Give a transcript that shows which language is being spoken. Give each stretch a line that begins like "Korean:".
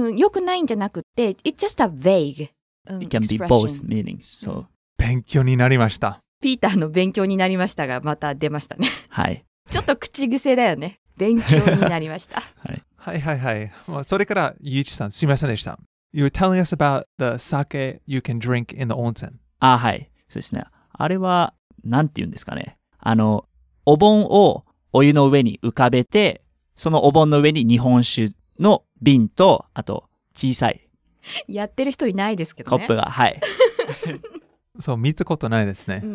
Japanese: 良くないんじゃなくて、
English: it's just a vague. It can be both meanings. So.
Japanese: 勉強になりました。ピーターの勉強になりましたがまた出ましたね。はい。ちょっと口癖だよね。勉強になりました。はい、はいはいはい。それから、ゆういちさん、すみませんでした。
English: You were telling us about the sake you can drink in the onsen.
Japanese: はい。そうですね。あれは、なんて言うんですかね。お盆をお湯の上に浮かべて、そのお盆の上に日本酒の瓶と、あと、小さい。やってる人いないですけどね。コップが、はい。そう、見たことないですね。